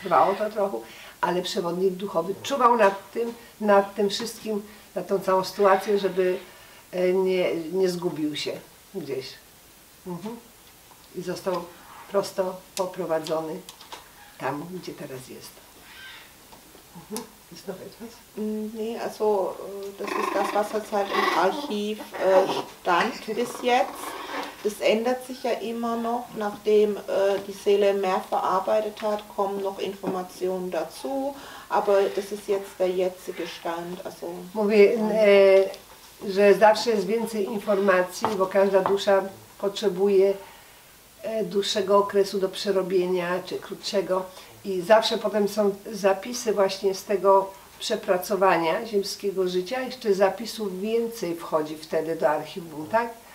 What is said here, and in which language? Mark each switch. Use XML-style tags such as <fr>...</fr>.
<pl>Trwało to trochę, ale przewodnik duchowy czuwał nad tym wszystkim, nad tą całą sytuację, żeby nie zgubił się gdzieś. Mhm. I został prosto poprowadzony tam, gdzie teraz jest.</pl> <de>Mhm. Ist noch etwas? Nee, also das ist das, was jetzt halt im Archiv stand bis jetzt. Das ändert sich ja immer noch, nachdem die Seele mehr verarbeitet hat, kommen noch Informationen dazu, aber das ist jetzt der jetzige Stand. Also,</de> <pl>mówię, że zawsze jest więcej informacji, bo każda dusza potrzebuje dłuższego okresu do przerobienia, czy krótszego. I zawsze potem są zapisy właśnie z tego przepracowania ziemskiego życia, jeszcze zapisów więcej wchodzi wtedy do archiwum, tak?</pl>